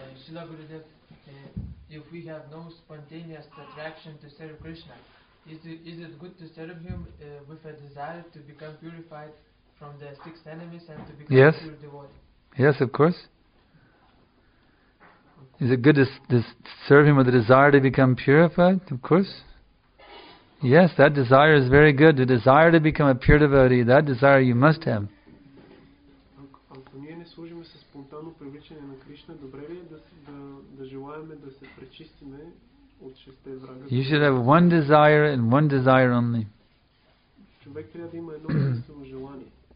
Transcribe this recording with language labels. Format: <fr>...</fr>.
<en>Srila Gurudev, if we have no spontaneous attraction to serve Krishna, is it good to serve him with a desire to become purified from the six enemies and to become yes. a pure devotee? Yes. Yes, of course. Is it good to serve him with a desire to become purified? Of course. Yes, that desire is very good. The desire to become a pure devotee, that desire you must have.</en> <bg>Ако ние не служим със спонтанно привличане на Кришна, добре ли е да желаем да се пречистиме от шесте врага?</bg> <en>You should have one desire and one desire only.</en> <bg>Човек трябва да има едно единствено желание.</bg>